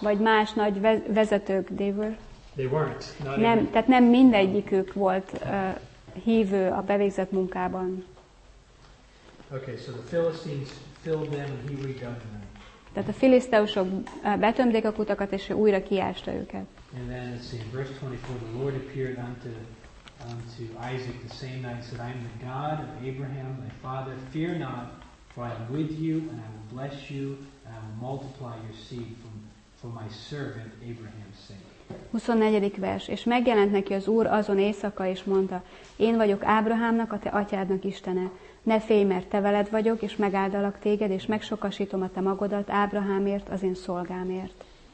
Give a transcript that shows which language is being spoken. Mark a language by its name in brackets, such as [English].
[Hungarian] Vagy más nagy vezetők, [English] they were. They weren't. [Hungarian] Nem, tehát nem mindegyikük volt hívő a bevégzett munkában. [English] Okay, so the Philistines filled them and he redug them. [Hungarian] Tehát a filiszteusok betömték a kutakat és újra kiásta őket. [English] And then it's in verse 24, the Lord appeared unto Isaac the same night and said, I am the God of Abraham, thy father. Fear not, for I am with you and I will bless you and I will multiply your seed for my servant Abraham's sake. [Hungarian] 24. vers. És megjelent neki az Úr azon éjszaka, és mondta, én vagyok Ábrahámnak, a te atyádnak Istene. Ne félj, mert te veled vagyok, és megáldalak téged, és megsokasítom a te magodat Ábrahámért, az én szolgámért.